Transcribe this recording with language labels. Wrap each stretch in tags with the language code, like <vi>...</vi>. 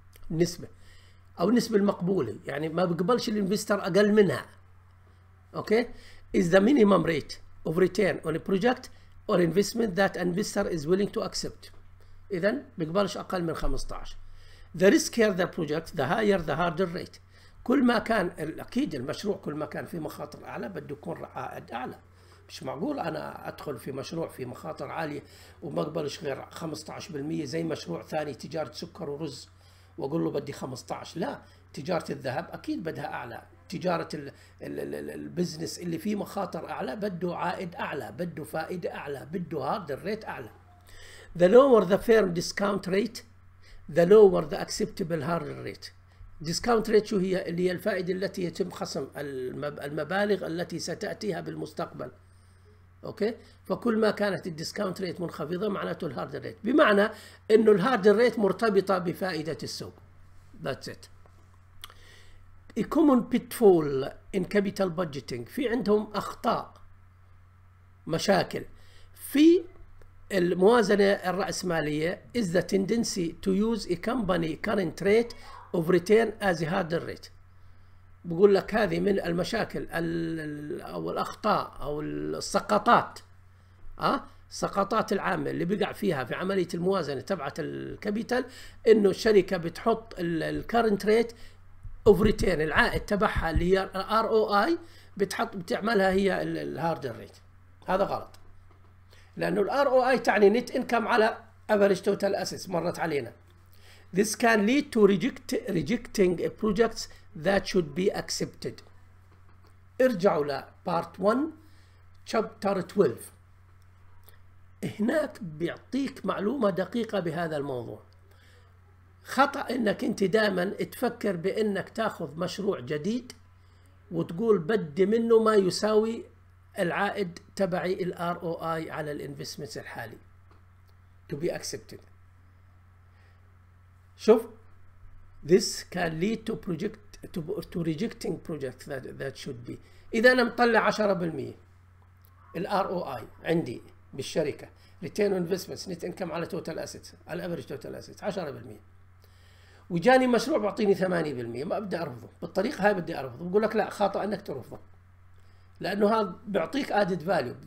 <ar>النسبة أو النسبة المقبولة، يعني ما بقبلش الانفستر أقل منها.</ar> <en>Okay? is the minimum rate of return on a project or investment that an investor is willing to accept.</en> <ar>إذا بقبلش أقل من 15.</ar> <en>The riskier the project, the higher the hurdle rate.</en> <ar>كل ما كان اكيد المشروع كل ما كان فيه مخاطر اعلى بده يكون عائد اعلى. مش معقول انا ادخل في مشروع في مخاطر عاليه وما اقبلش غير 15% زي مشروع ثاني تجاره سكر ورز واقول له بدي 15. لا، تجاره الذهب اكيد بدها اعلى، تجاره البزنس اللي فيه مخاطر اعلى بده عائد اعلى، بده فائده اعلى، بده هارد ريت اعلى.</ar> <en>The lower the firm discount rate, the lower the acceptable hard rate.</en> <ar>Discount rate شو هي؟ اللي هي الفائدة التي يتم خصم المبالغ التي ستأتيها بالمستقبل. أوكي؟ فكل ما كانت الديسكاونت ريت منخفضة معناته الهارد ريت، بمعنى إنه الهارد ريت مرتبطة بفائدة السوق.</ar> <en>That's it. A common pitfall in capital budgeting.</en> <ar>في عندهم أخطاء، مشاكل في الموازنة الرأسمالية</ar> <en>is the tendency to use a company current rate of return as a hard rate.</en> <ar>بقول لك هذه من المشاكل أو الأخطاء أو السقطات، سقطات العامل اللي بيقع فيها في عملية الموازنة تبعت الكابيتال، إنه الشركة بتحط الكارنت ريت اوف ريتيرن العائد تبعها اللي هي الار او اي بتحط بتعملها هي الهارد ريت. هذا غلط، لانه الار او اي تعني نت انكم على افريج توتال اسيتس. مرت علينا.</ar> <en>This can lead to rejecting projects that should be accepted.</en> <ar>ارجعوا ل بارت 1 شابتر 12، هناك بيعطيك معلومه دقيقه بهذا الموضوع. خطأ انك انت دائما تفكر بانك تاخذ مشروع جديد وتقول بدي منه ما يساوي العائد تبعي الار او اي على الانفستمنت الحالي</ar> <en>to be accepted. شوف، this can lead to project to rejecting project that should be.</en> <ar>اذا انا مطلع 10% الار او اي عندي بالشركه ريتيرن انفستمنت نت انكم على توتال اسيتس الافرج توتال اسيتس 10%، وجاني مشروع بيعطيني 8%، ما بدي ارفضه بالطريقه هاي، بدي ارفضه. بقول لك لا، خاطئ انك ترفضه، لانه هذا بيعطيك ادد فاليو.</ar>